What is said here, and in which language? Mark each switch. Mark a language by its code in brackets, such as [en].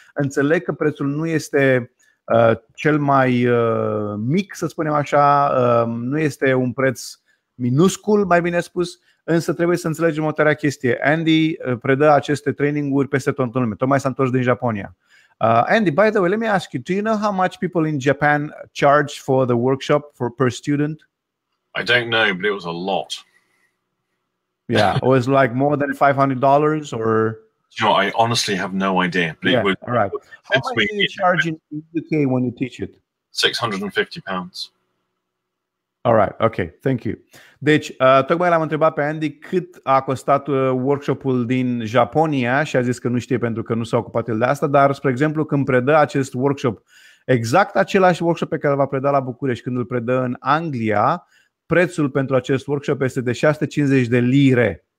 [ro] Înțeleg că prețul nu este cel mai mic, să spunem așa, nu este un preț minuscul, mai bine spus, însă trebuie să înțelegem o tare chestie. Andy predă aceste traininguri peste tot în lume, tocmai s-a întors din Japonia. [en] Andy, by the way, let me ask you, do you know how much people in Japan charge for the workshop for per student? I don't know, but it was a lot. Yeah, it was like more than $500 or... No, I honestly have no idea. But yeah, it was, all right. How much do you charge in the UK when you teach it? £650. All right. Okay. Thank you. [ro] Deci, tocmai l-am întrebat pe Andy cât a costat workshopul din Japonia și a zis că nu știe pentru că nu s-a ocupat el de asta, dar, spre exemplu, când predă acest workshop, exact același workshop pe care l-a predat la București, când îl predă în Anglia, prețul pentru acest workshop este de 650 de lire.